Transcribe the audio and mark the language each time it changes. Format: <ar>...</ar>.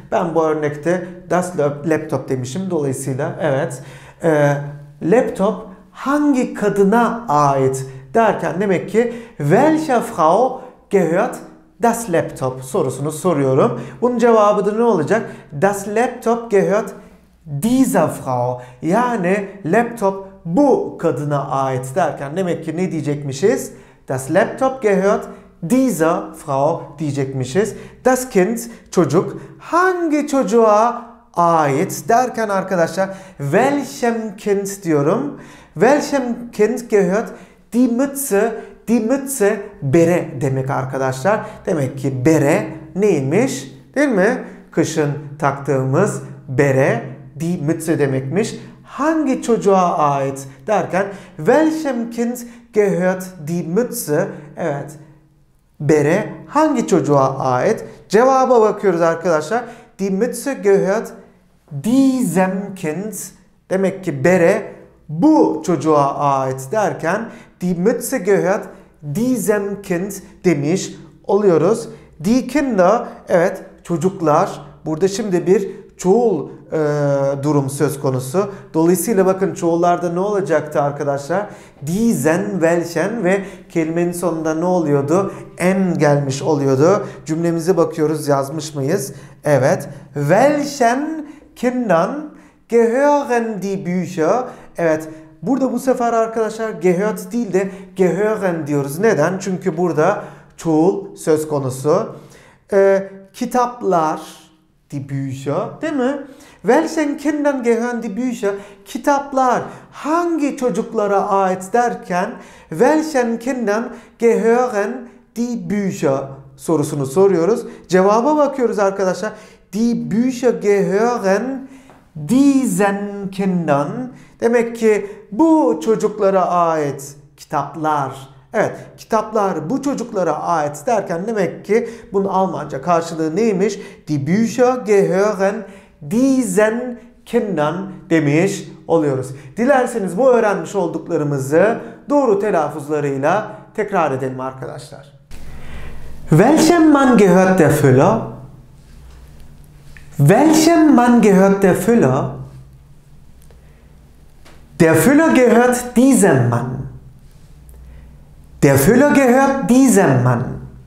<tr>Ben bu örnekte das Laptop demişim. Dolayısıyla evet. Laptop hangi kadına ait derken demek ki</tr> <de>welche Frau gehört das Laptop</de> <tr>sorusunu soruyorum. Bunun cevabı da ne olacak?</tr> <de>Das Laptop gehört dieser Frau.</de> <tr>Yani laptop bu kadına ait derken demek ki ne diyecekmişiz?</tr> <de>Das Laptop gehört Diese Frau</de> <tr>diyecekmişiz.</tr> <de>Das Kind,</de> <tr>çocuk. Hangi çocuğa ait derken arkadaşlar,</tr> <de>welchem Kind</de> <tr>diyorum.</tr> <de>Welchem Kind gehört die Mütze.</de> <tr>Die Mütze, bere demek arkadaşlar. Demek ki bere neymiş? Değil mi? Kışın taktığımız bere, die Mütze demekmiş. Hangi çocuğa ait derken,</tr> <de>welchem Kind gehört die Mütze?</de> <tr>Evet. Bere hangi çocuğa ait? Cevaba bakıyoruz arkadaşlar.</tr> <de>Die Mütze gehört diesem Kind.</de> <tr>Demek ki bere bu çocuğa ait derken,</tr> <de>die Mütze gehört diesem Kind</de> <tr>demiş oluyoruz. Die Kinder, evet, çocuklar. Burada şimdi bir çoğul durum söz konusu. Dolayısıyla bakın çoğullarda ne olacaktı arkadaşlar? Diesen, welchen ve kelimenin sonunda ne oluyordu? En gelmiş oluyordu. Cümlemize bakıyoruz, yazmış mıyız? Evet.</tr> <de>Welchen Kindern gehören die Bücher?</de> <tr>Evet. Burada bu sefer arkadaşlar gehört değil de gehören diyoruz. Neden? Çünkü burada çoğul söz konusu. Kitaplar, die Bücher, değil mi?</tr> <de>Welchen Kindern gehören die Bücher?</de> <tr>Kitaplar hangi çocuklara ait derken,</tr> <de>welchen Kindern gehören die Bücher</de> <tr>sorusunu soruyoruz. Cevaba bakıyoruz arkadaşlar.</tr> <de>Die Bücher gehören diesen Kindern.</de> <tr>Demek ki bu çocuklara ait kitaplar. Evet, kitaplar bu çocuklara ait derken demek ki bunun Almanca karşılığı neymiş?</tr> <de>Die Bücher gehören diesen Kindern</de> <tr>demiş oluyoruz. Dilerseniz bu öğrenmiş olduklarımızı doğru telaffuzlarıyla tekrar edelim arkadaşlar.</tr> <de>Welchem Mann gehört der Füller? Welchem Mann gehört der Füller? Der Füller gehört diesem Mann. Der Füller gehört diesem Mann.</de>